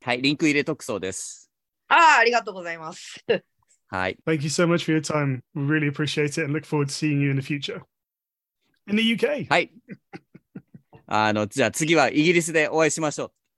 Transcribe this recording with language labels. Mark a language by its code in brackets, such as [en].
[ja] はい、リンク入れとくそうです。ああ、ありがとうございます。はい、 [en] Thank you so much for your time. We really appreciate it and look forward to seeing you in the future. In the UK. [ja] はい。あの、じゃあ次はイギリスでお会いしましょう。